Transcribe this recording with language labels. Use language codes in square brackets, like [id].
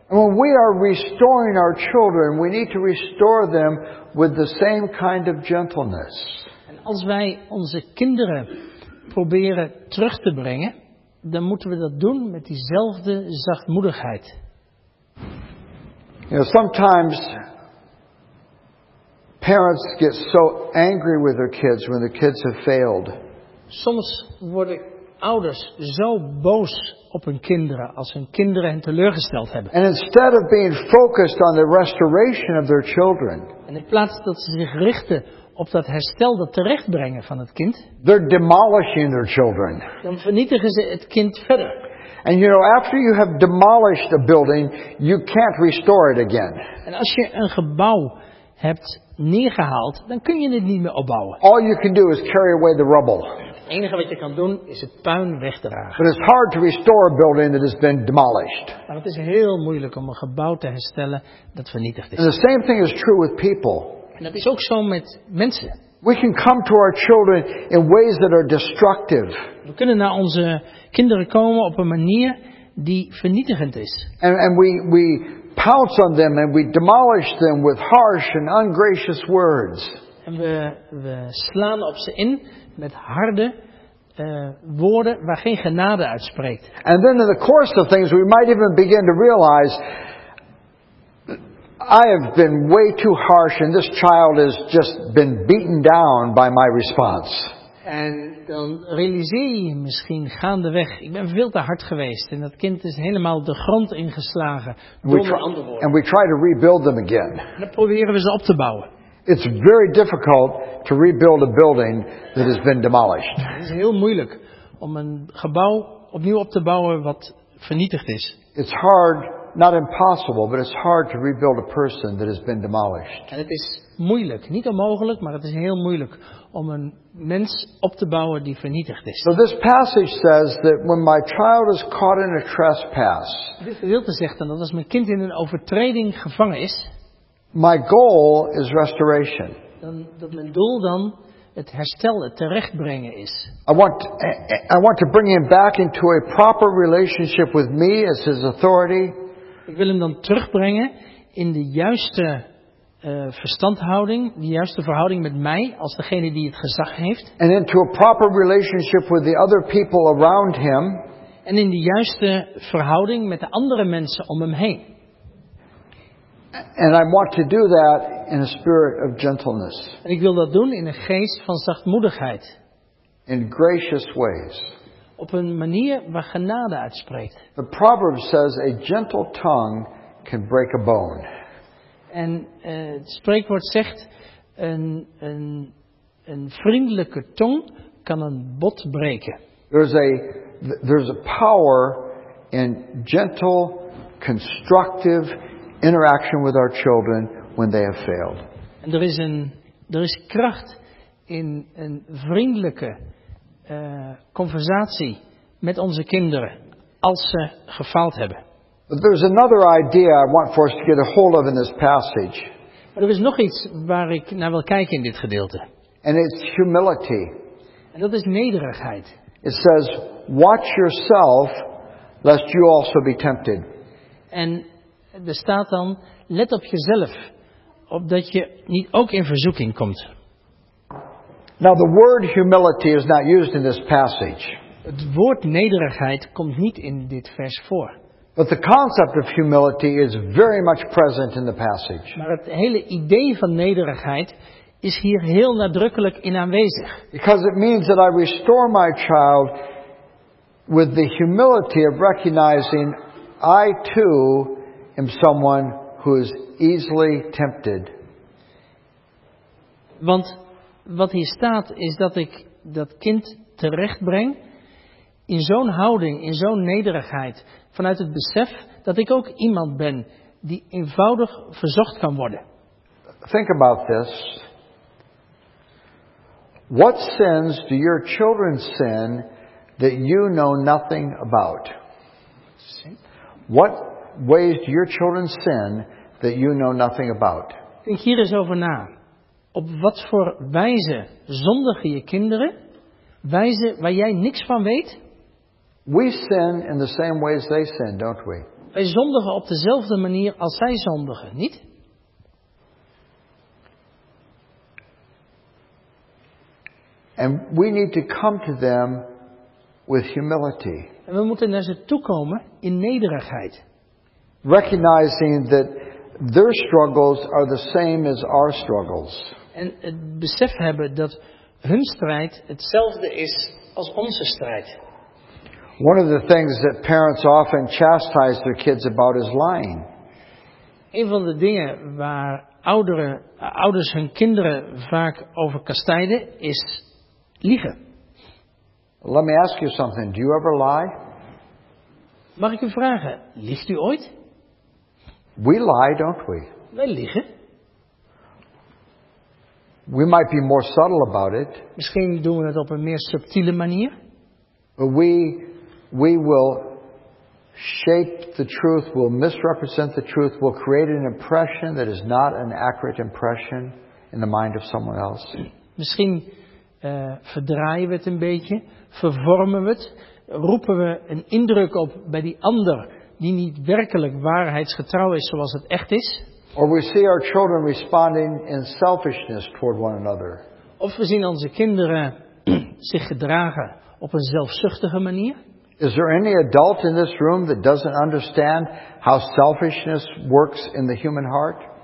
[en] When we are restoring our children, we need to restore them with the same kind of gentleness. [nl] En als wij onze kinderen proberen terug te brengen, dan moeten we dat doen met diezelfde zachtmoedigheid. [en] You know, sometimes parents get so angry with their kids when the kids have failed. [nl] Soms worden ouders zo boos op hun kinderen als hun kinderen hen teleurgesteld hebben. [en] And instead of being focused on the restoration of their children. [nl] En in plaats dat ze zich richten op dat herstel, dat terechtbrengen van het kind. [en] They're demolishing their children. [nl] Dan vernietigen ze het kind verder. [en] And you know, after you have demolished a building, you can't restore it again. [nl] En als je een gebouw hebt neergehaald, dan kun je het niet meer opbouwen. [en] All you can do is carry away the rubble. [nl] Het enige wat je kan doen is het puin wegdragen. [en] But it's hard to restore a building that has been demolished. [nl] Maar het is heel moeilijk om een gebouw te herstellen dat vernietigd is. [en] And the same thing is true with people. [nl] En dat is ook zo met mensen. [en] We can come to our children in ways that are destructive. [nl] We kunnen naar onze kinderen komen op een manier die vernietigend is. [en] And we pounce on them and we demolish them with harsh and ungracious words. [nl] En we slaan op ze in met harde woorden waar geen genade uitspreekt. [en] And then in the course of things we might even begin to realize I have been way too harsh and this child has just been beaten down by my response. [nl] En dan realiseer je misschien gaandeweg, ik ben veel te hard geweest en dat kind is helemaal de grond ingeslagen door andere woorden. [en] And we try to rebuild them again. [nl] En dan proberen we ze op te bouwen. [en] It's very difficult to rebuild a building that has been demolished. [nl] Het is heel moeilijk om een gebouw opnieuw op te bouwen wat vernietigd is. [en] It's hard, not impossible, but it's hard to rebuild a person that has been demolished. [nl] En het is moeilijk, niet onmogelijk, maar het is heel moeilijk om een mens op te bouwen die vernietigd is. [en] So this passage says that when my child is caught in a trespass. [nl] Dit gedeelte zegt dan dat als mijn kind in een overtreding gevangen is. [en] My goal is restoration. [nl] Dat mijn doel dan het herstel, het terechtbrengen is. [en] I want to bring him back into a proper relationship with me as his authority. [nl] Ik wil hem dan terugbrengen in de juiste verstandhouding, de juiste verhouding met mij als degene die het gezag heeft. [en] And into a proper relationship with the other people around him. [nl] En in de juiste verhouding met de andere mensen om hem heen. [en] And I want to do that in a spirit of gentleness. [nl] En ik wil dat doen in een geest van zachtmoedigheid. [en] In gracious ways. [nl] Op een manier waar genade uitspreekt. [en] The proverb says a gentle tongue can break a bone. [nl] En het spreekwoord zegt een vriendelijke tong kan een bot breken. [en] There's a power in gentle, constructive interaction with our children when they have failed. [nl] En er is kracht in een vriendelijke conversatie met onze kinderen als ze gefaald hebben. [en] But there's another idea I want for us to get a hold of in this passage. [nl] Maar er is nog iets waar ik naar wil kijken in dit gedeelte. [en] And it's humility. [nl] En dat is nederigheid. [en] It says, watch yourself, lest you also be tempted. [nl] En er staat dan, let op jezelf, opdat je niet ook in verzoeking komt. [en] Now the word humility is not used in this passage. [nl] Het woord nederigheid komt niet in dit vers voor. [en] But the concept of humility is very much present in the passage. [nl] Maar het hele idee van nederigheid is hier heel nadrukkelijk in aanwezig. [en] Because it means that I restore my child with the humility of recognizing I too am someone who is easily tempted. [nl] Want wat hier staat is dat ik dat kind terechtbreng in zo'n houding, in zo'n nederigheid, vanuit het besef dat ik ook iemand ben die eenvoudig verzocht kan worden. [en] Think about this. What sins do your children sin that you know nothing about? What ways do your children sin that you know nothing about? [nl] Denk hier eens over na. Op wat voor wijze zondigen je kinderen? Wijze waar jij niks van weet? [en] We sin in the same way as they sin, don't we? [nl] Wij zondigen op dezelfde manier als zij zondigen, niet? [en] And we need to come to them with humility. [nl] En we moeten naar ze toekomen in nederigheid. [en] Recognizing that their struggles are the same as our struggles. [nl] En het besef hebben dat hun strijd hetzelfde is als onze strijd. [en] One of the things that parents often chastise their kids about is lying. [nl] Een van de dingen waar ouders hun kinderen vaak over kastijden is liegen. [en] Let me ask you something. Do you ever lie? [nl] Mag ik u vragen, liegt u ooit? [en] We lie, don't we? [nl] Wij liegen. [en] We might be more subtle about it. [nl] Misschien doen we het op een meer subtiele manier. [en] But we will shape the truth, will misrepresent the truth, will create an impression that is not an accurate impression in the mind of someone else. [nl] Misschien verdraaien we het een beetje, vervormen we het, roepen we een indruk op bij die ander die niet werkelijk waarheidsgetrouw is zoals het echt is. [en] Or we see our children responding in selfishness toward one another. [nl] Of we zien onze kinderen zich gedragen op een zelfzuchtige manier. [en] Is there any adult in this room that doesn't understand how selfishness works in the human heart?